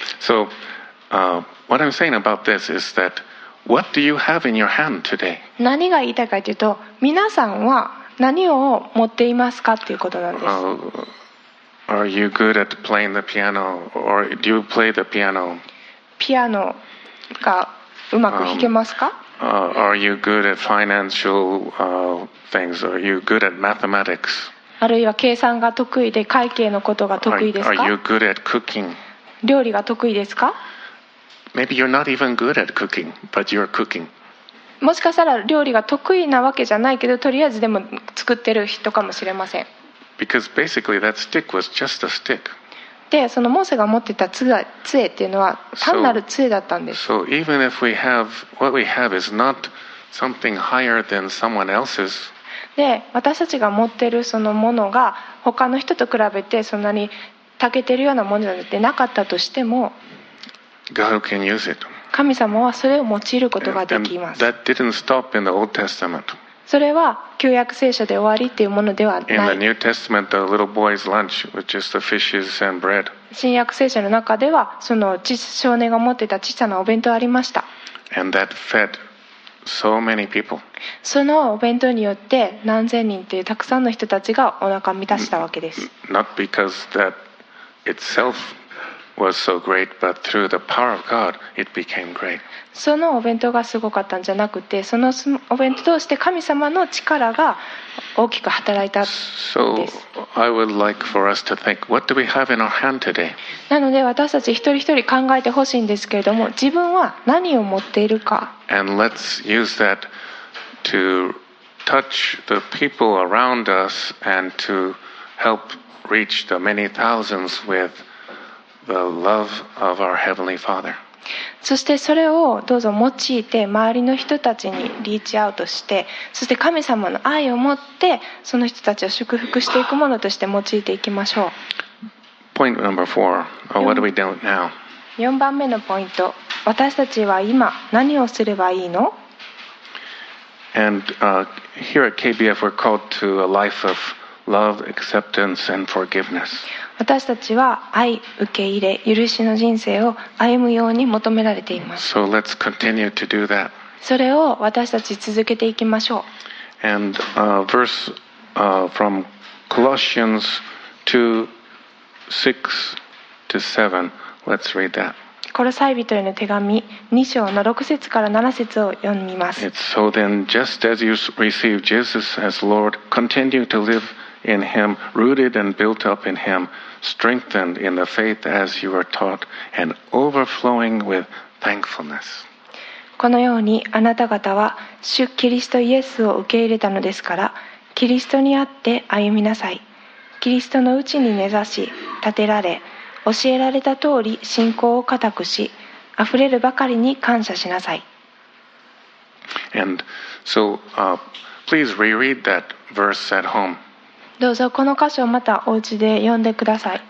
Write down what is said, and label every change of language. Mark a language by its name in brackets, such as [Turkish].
[English] So, what I'm saying about this is that what do you have in your hand today? [Japanese] 何が言いたいかというと、皆さんは何を持っていますかっていうことなんです。 [English] Are you good at playing the piano? Or do you play the piano? [Japanese] ピアノがうまく弾けますか？ [English] Are you good at financial things? Are you good at mathematics? [Japanese] あるいは計算が得意で会計のことが得意ですか？ [English] Are you good at cooking? [Japanese] 料理が得意ですか？ [English] Maybe you're not even good at cooking, but you're cooking. [Japanese] もしかしたら料理が得意なわけじゃないけど、とりあえずでも作ってる人かもしれません。 [English] Because basically that stick was just a stick. [Japanese] で、そのモーセが持ってた杖っていうのは単なる杖だったんです。 [English] So even if we have what we have is not something higher than someone else's. [Japanese] で、私たちが持ってるそのものが他の人と比べてそんなに長けてるようなものじゃなかったとしても、 [English] God can use it. [Japanese] 神様はそれを用いることができます。 [English] That didn't stop in the Old Testament. [Japanese] それは旧約聖書で終わりというものではない。 [English] In the New Testament, the little boy's lunch, which is the fishes and bread. [Japanese] 新約聖書の中ではその少年が持っていた小さなお弁当ありました。 [English] And that fed so many people. [Japanese] そのお弁当によって何千人というたくさんの人たちがお腹を満たしたわけです。 [English] Not because that itselfWas so great, but through the power of God, it became great. [Japanese] そのお弁当がすごかったんじゃなくて、そのお弁当を通して神様の力が大きく働いたんです。 [English] So I would like for us to think, what do we have in our hand today? [Japanese] なので私たち一人一人考えてほしいんですけれども、自分は何を持っているか。 [English] And let's use that to touch the people around us and to help reach the many thousands with. The love of our Heavenly Father. [Japanese] そしてそれをどうぞ用いて周りの人たちにリーチアウトして、そして神様の愛を持ってその人たちを祝福していくものとして用いていきましょう。 [English] Point number four. Oh, what do we do now? [Japanese] 四番目のポイント。私たちは今何をすればいいの？ [English] And、here at KBF, we're called to a life of love, acceptance, and forgiveness. [Japanese] 私たちは愛、受け入れ、許しの人生を歩むように求められています。 [English] So let's continue to do that. [Japanese] それを私たち続けていきましょう。 [English] And verse from Colossians 2:6-7. Let's read that. [Japanese] コロサイ人への手紙2章の6節から7節を読みます。 [English] It's so then, just as you received Jesus as Lord, continue to live in Him, rooted and built up in Him, strengthened in the faith as you were taught, and overflowing with thankfulness. [Japanese] このようにあなた方は主キリストイエスを受け入れたのですから、キリストにあって歩みなさい。キリストのうちに根ざし、立てられ、教えられた通り信仰を固くし、あふれるばかりに感謝しなさい。 [English] And so, please reread that verse at home. [Japanese] どうぞこの箇所をまたお家で読んでください。